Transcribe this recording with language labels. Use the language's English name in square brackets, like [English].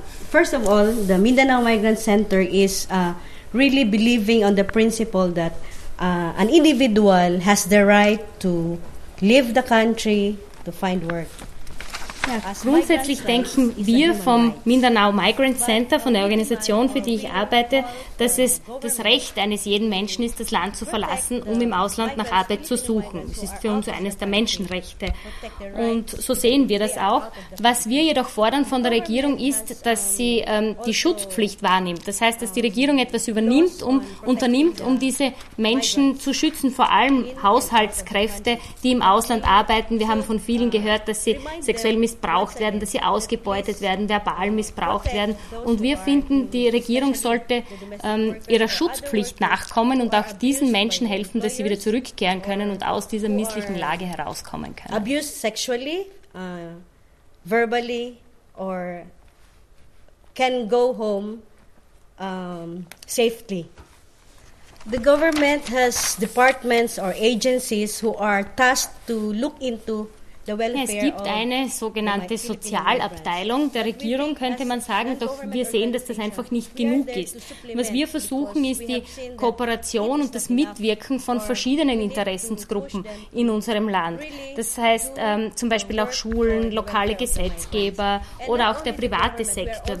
[English] First of all, the Mindanao Migrant Center is really believing on the principle that an individual has the right to leave the country to find work. [German] Ja, grundsätzlich denken wir vom Mindanao Migrant Center, von der Organisation, für die ich arbeite, dass es das Recht eines jeden Menschen ist, das Land zu verlassen, um im Ausland nach Arbeit zu suchen. Es ist für uns eines der Menschenrechte. Und so sehen wir das auch. Was wir jedoch fordern von der Regierung ist, dass sie die Schutzpflicht wahrnimmt. Das heißt, dass die Regierung etwas unternimmt, um diese Menschen zu schützen, vor allem Haushaltskräfte, die im Ausland arbeiten. Wir haben von vielen gehört, dass sie sexuell missbraucht werden, dass sie ausgebeutet werden, verbal missbraucht werden. Und wir finden, die Regierung sollte ihrer Schutzpflicht nachkommen und auch diesen Menschen helfen, dass sie wieder zurückkehren können und aus dieser misslichen Lage herauskommen können. [English] Abused sexually, verbally, or can go home safely. The government has departments or agencies who are tasked to look into. [German] Es gibt eine sogenannte Sozialabteilung der Regierung, könnte man sagen, doch wir sehen, dass das einfach nicht genug ist. Was wir versuchen, ist die Kooperation und das Mitwirken von verschiedenen Interessensgruppen in unserem Land. Das heißt zum Beispiel auch Schulen, lokale Gesetzgeber oder auch der private Sektor.